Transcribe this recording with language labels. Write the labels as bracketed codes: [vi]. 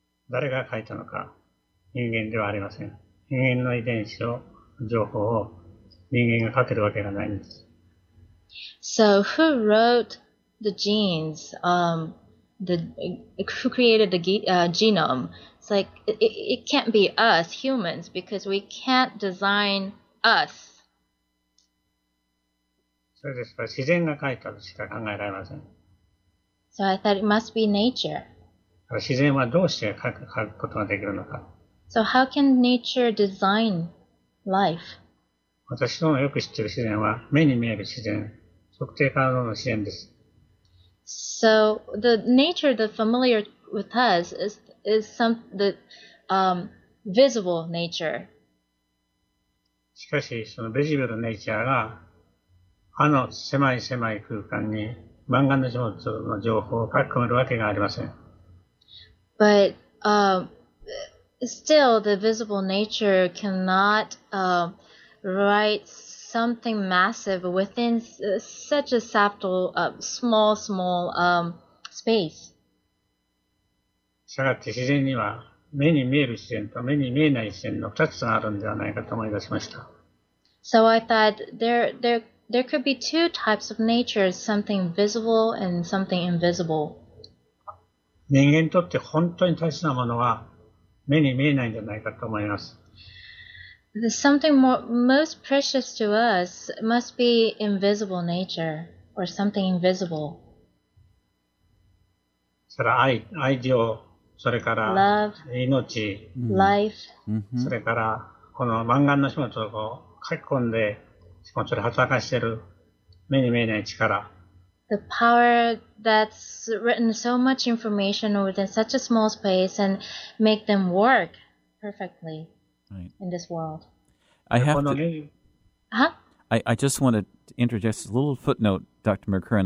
[ja] 誰が書いたのか、人間ではありません。人間の遺伝子を、情報を人間が書けるわけがないんです。 [en] So, who wrote the genes, who created the genome? It's like, it can't be us, humans, because we can't design us. [ja] そうですか、自然が書いたとしか考えられません。 [en] So, I thought it must be nature. [ja] 自然はどうして書くことができるのか。 [en] So how can nature design life? [ja] 私のよく知っている自然は目に見える自然、測定可能の自然です。 [en] So the nature that's familiar with us is some the visible nature. [ja] しかしその [en] visible nature [ja] が狭い狭い空間に万眼の情報を書き込めるわけがありません。 [en] But still, the visible nature cannot write something massive within such a subtle, small space. [ja] したがって自然には目に見える自然と目に見えない自然の2つがあるんではないかと思い出しました。 [en] So I thought there could be two types of nature, something visible and something invisible. [ja] 人間にとって本当に大切なものは目に見えないんじゃないかと思います。 [en] Something more, most precious to us must be invisible nature. or something invisible. [ja] それ愛、愛情、それから [en] love, [ja] 命、 [en] life, [ja] それからこの万眼の始末をこう書き込んで、始末を働かしている目に見えない力。 [en] The power that's written so much information within such a small space and make them work perfectly in this world. I have to. I just want to interject a little footnote, Dr. McCurran.